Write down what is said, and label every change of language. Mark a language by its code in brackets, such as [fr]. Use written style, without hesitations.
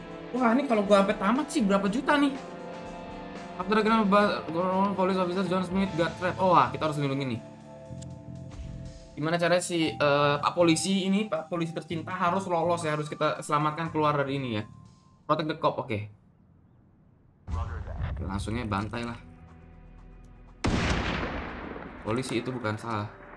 [id] Wah, ini kalau gue sampai tamat sih berapa juta nih? [en] After a grand battle, police officer John Smith got trapped. [id] Oh, wah, kita harus lindungi nih. Gimana caranya si Pak Polisi ini, Pak Polisi tercinta harus lolos ya, harus kita selamatkan keluar dari ini ya. [en] Protect the cop, oke. Okay. [id] Langsungnya bantai lah. Polisi itu bukan salah.